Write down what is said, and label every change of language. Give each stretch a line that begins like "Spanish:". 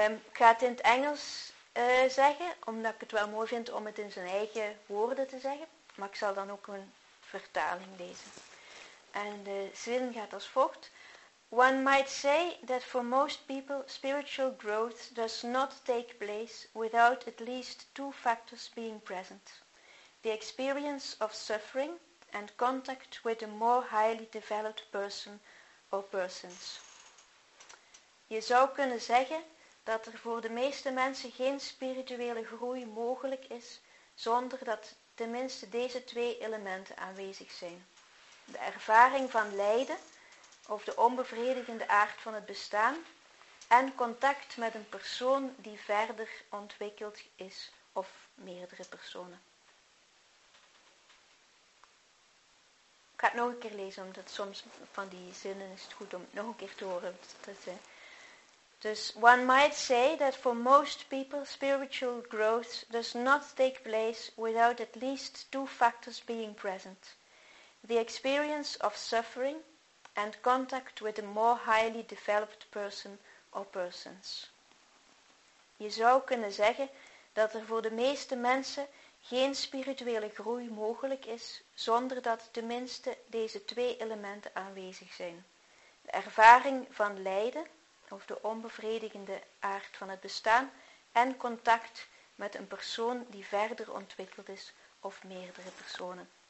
Dutch: Ik ga het in het Engels zeggen, omdat ik het wel mooi vind om het in zijn eigen woorden te zeggen. Maar ik zal dan ook een vertaling lezen. En de zin gaat als volgt.
English: One might say that for most people spiritual growth does not take place without at least two factors being present. The experience of suffering and contact with a more highly developed person or persons.
Dutch: Je zou kunnen zeggen dat er voor de meeste mensen geen spirituele groei mogelijk is zonder dat tenminste deze twee elementen aanwezig zijn. De ervaring van lijden of de onbevredigende aard van het bestaan en contact met een persoon die verder ontwikkeld is of meerdere personen. Ik ga het nog een keer lezen, omdat soms van die zinnen is het goed om het nog een keer te horen. Dus
English: one might say that for most people spiritual growth does not take place without at least two factors being present. The experience of suffering and contact with a more highly developed person or persons.
Dutch: Je zou kunnen zeggen dat er voor de meeste mensen geen spirituele groei mogelijk is zonder dat tenminste deze twee elementen aanwezig zijn. De ervaring van lijden of de onbevredigende aard van het bestaan en contact met een persoon die verder ontwikkeld is of meerdere personen.